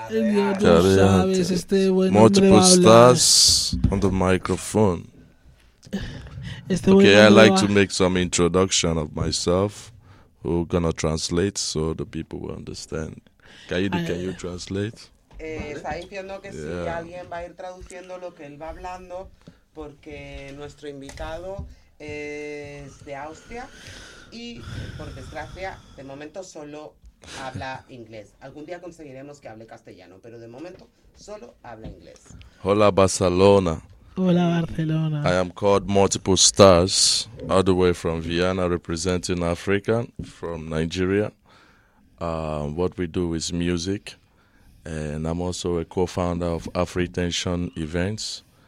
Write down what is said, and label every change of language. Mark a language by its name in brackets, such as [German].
[Spanish] Tú sabes, este buen hombre va a hablar. [English] Stars on the microphone. [Spanish] Este buen [English] okay, I like to make some introduction of myself. We're gonna translate so the people will understand. Kaidi, can you translate? [Spanish] Está diciendo que si sí, alguien va a ir traduciendo lo que él va hablando, porque nuestro invitado es de Austria y, por desgracia, de momento solo habla inglés. Algún día conseguiremos que hable castellano, pero de momento solo habla inglés. Hola, Barcelona. Hola, Barcelona. [English] I am called Multiple Stars, all the way from Vienna, representing Africa, from Nigeria. What we do is music. And I'm also a co-founder of AfriTension Events.